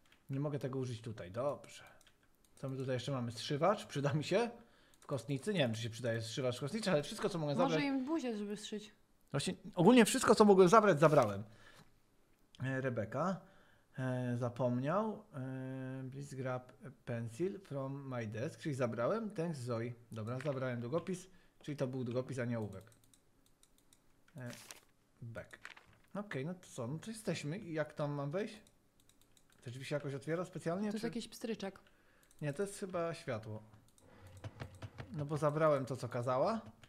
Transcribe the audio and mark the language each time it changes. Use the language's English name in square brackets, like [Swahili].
[Polish] Nie mogę tego użyć tutaj, dobrze. Co my tutaj jeszcze mamy? Zszywacz, przyda mi się? W kostnicy? Nie wiem, czy się przydaje zszywacz w kostnicy, ale wszystko, co mogę zabrać... Może im buzię, żeby zszyć. Właśnie, ogólnie wszystko, co mogłem zabrać, zabrałem. Rebeka. Zapomniał. [English] Please grab a pencil from my desk. [Polish] Czyli zabrałem. [English] Thanks, Zoe. [Polish] Dobra, zabrałem długopis. Czyli to był długopis, a nie ołówek. Back. Okej, okay, no to co? No to jesteśmy. Jak tam mam wejść? Te drzwi się jakoś otwiera specjalnie? To jest jakiś pstryczek. Nie, to jest chyba światło. No bo zabrałem to, co kazała.